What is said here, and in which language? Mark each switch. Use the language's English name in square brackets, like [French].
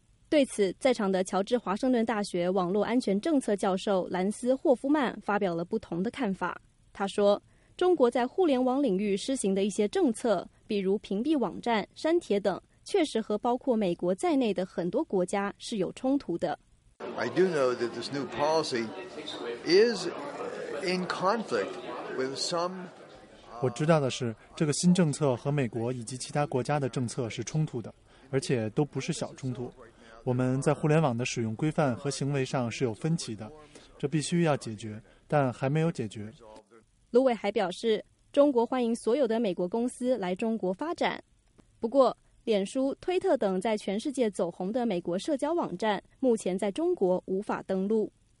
[Chinese] 对此，在场的乔治华盛顿大学网络安全政策教授兰斯·霍夫曼发表了不同的看法。他说，中国在互联网领域施行的一些政策，比如屏蔽网站、删帖等，确实和包括美国在内的很多国家是有冲突的。 [English] I do know that this new policy is in conflict with some. [Chinese] 我知道的是，这个新政策和美国以及其他国家的政策是冲突的，而且都不是小冲突。我们在互联网的使用规范和行为上是有分歧的，这必须要解决，但还没有解决。卢伟还表示，中国欢迎所有的美国公司来中国发展，不过脸书、推特等在全世界走红的美国社交网站目前在中国无法登陆。